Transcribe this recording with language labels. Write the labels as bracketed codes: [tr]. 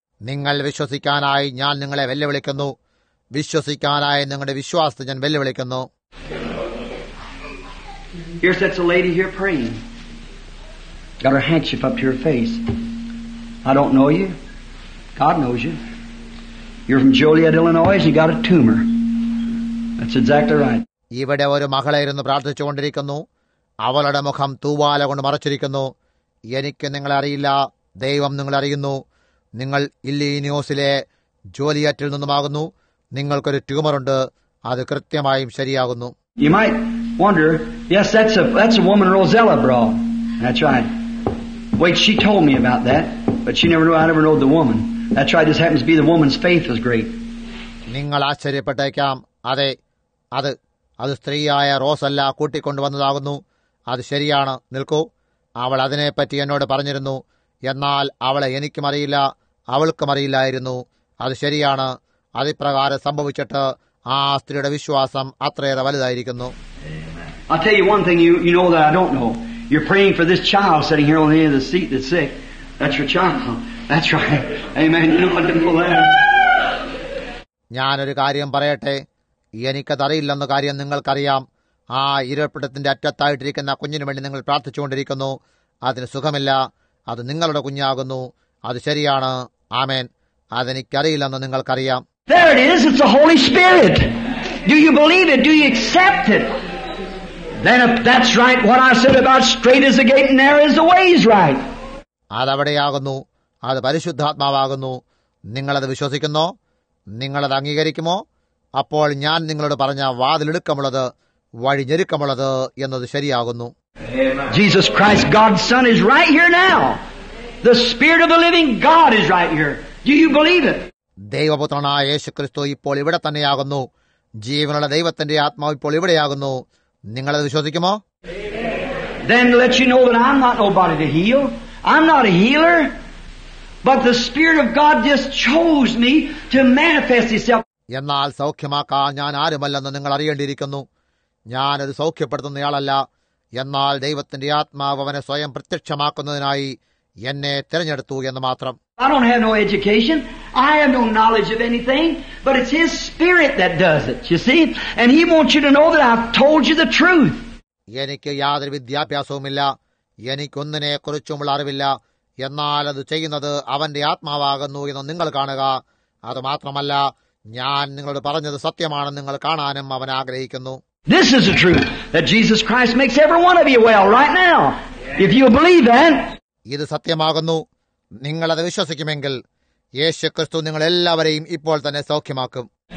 [ml] നിങ്ങൾ വിശ്വസിക്കാനായി ഞാൻ നിങ്ങളെ വെല്ലുവിളിക്കുന്നു. വിശ്വസിക്കാനായി നിങ്ങളുടെ വിശ്വാസത്തെ ഞാൻ വെല്ലുവിളിക്കുന്നു. [en] Got her handkerchief up to her face. I don't know you. God knows you. You're from Joliet, Illinois, and you got a tumor. That's exactly right. [ml] ഇവിടെ ഒരു മകളെ ഇരുന്ന് പ്രാർത്ഥിച്ചുകൊണ്ടിരിക്കുന്നു. അവളുടെ മുഖം തൂവാല കൊണ്ട് മറച്ചിരിക്കുന്നു. എനിക്ക് നിങ്ങളെ അറിയില്ല. ദൈവം നിങ്ങളറിയുന്നു. നിങ്ങൾ ഇല്ലിനോയിസിലെ ജോലിയറ്റിൽ നിന്നുമാകുന്നു. നിങ്ങൾക്കൊരു ട്യൂമർ ഉണ്ട്. അത് കൃത്യമായും ശരിയാകുന്നു. [en] You might wonder, yes, that's a woman, Rosella Brawl. That's right. Wait, she told me about that, but she never knew I ever knew the woman. That's right, this happens to be the woman's faith was great. [ml] നിങ്ങൾ ആശ്ചര്യപ്പെട്ടേക്കാം. അതെ, അത് സ്ത്രീയായ റോസല്ല കൂട്ടിക്കൊണ്ടു വന്നതാകുന്നു. അത് ശരിയാണ്. നിൽക്കൂ. അവൾ അതിനെപ്പറ്റി എന്നോട് പറഞ്ഞിരുന്നു. എന്നാൽ അവളെ എനിക്കും അറിയില്ല, അവൾക്കും അറിയില്ലായിരുന്നു. അത് ശരിയാണ്. അതിപ്രകാരം സംഭവിച്ചിട്ട് ആ സ്ത്രീയുടെ വിശ്വാസം അത്രയേറെ വലുതായിരിക്കുന്നു. [en] I'll tell you one thing you know that I don't know. You're praying for this child sitting here on the end of the seat that's sick. That's your child. That's right. Amen. You know what to pull out. [ml] ഞാൻ ഒരു കാര്യം പറയട്ടെ. എനിക്കതറിയില്ലെന്ന കാര്യം നിങ്ങൾക്കറിയാം. ആ ഇരപ്പിടത്തിന്റെ അറ്റത്തായിട്ടിരിക്കുന്ന കുഞ്ഞിനു വേണ്ടി നിങ്ങൾ പ്രാർത്ഥിച്ചുകൊണ്ടിരിക്കുന്നു. അതിന് സുഖമില്ല. അത് നിങ്ങളുടെ കുഞ്ഞാകുന്നു. അത് ശരിയാണ്. ആമേൻ. അതെനിക്കറിയില്ലെന്ന് നിങ്ങൾക്കറിയാം. [en] There it is. It's the Holy Spirit. Do you believe it? Do you accept it? Then if that's right, what I said about straight is the gate and narrow is the way is right. [ml] അതവിടെയാകുന്നു. അത് പരിശുദ്ധാത്മാവാകുന്നു. നിങ്ങളത് വിശ്വസിക്കുന്നോ? നിങ്ങളത് അംഗീകരിക്കുമോ? അപ്പോൾ ഞാൻ നിങ്ങളോട് പറഞ്ഞ വാതിലെടുക്കമുള്ളത് വഴി ഞെരുക്കമുള്ളത് എന്നത് ശരിയാകുന്നു. [en] Jesus Christ, God's Son, is right here now. The Spirit of the Living God is right here. Do you believe it? [ml] ദൈവപുത്രനായ യേശു ക്രിസ്തു ഇപ്പോൾ ഇവിടെ തന്നെയാകുന്നു. ജീവനുള്ള ദൈവത്തിന്റെ ആത്മാവ് ഇപ്പോൾ ഇവിടെയാകുന്നു. നിങ്ങളത് വിശ്വസിക്കുമോ? [en] Then let you know that I'm not nobody to heal. I'm not a healer. But the Spirit of God just chose me to manifest itself. [ml] എന്നാൽ സൌഖ്യമാക്കാൻ ഞാൻ ആരുമല്ലെന്ന് നിങ്ങൾ അറിയേണ്ടിയിരിക്കുന്നു. ഞാനത് സൌഖ്യപ്പെടുത്തുന്നയാളല്ല. എന്നാൽ ദൈവത്തിന്റെ ആത്മാവ് അവനെ സ്വയം പ്രത്യക്ഷമാക്കുന്നതിനായി എന്നെ തിരഞ്ഞെടുത്തു എന്ന് മാത്രം. [en] I don't have no education. I have no knowledge of anything. But it's His Spirit that does it, you see. And He wants you to know that I've told you the truth. [ml] എനിക്ക് യാതൊരു വിദ്യാഭ്യാസവുമില്ല. എനിക്കൊന്നിനെക്കുറിച്ചുമുള്ള അറിവില്ല. എന്നാൽ അത് ചെയ്യുന്നത് അവന്റെ ആത്മാവാകുന്നു എന്ന് നിങ്ങൾ കാണുക. അതുമാത്രമല്ല, ഞാൻ നിങ്ങളോട് പറഞ്ഞത് സത്യമാണെന്ന് നിങ്ങൾ കാണാനും അവൻ ആഗ്രഹിക്കുന്നു. [en] This is the truth that Jesus Christ makes every one of you well right now. If you believe that. [ml] ഇത് സത്യമാകുന്നു. നിങ്ങളത് വിശ്വസിക്കുമെങ്കിൽ യേശു ക്രിസ്തു നിങ്ങളെല്ലാവരെയും ഇപ്പോൾ തന്നെ സൗഖ്യമാക്കും.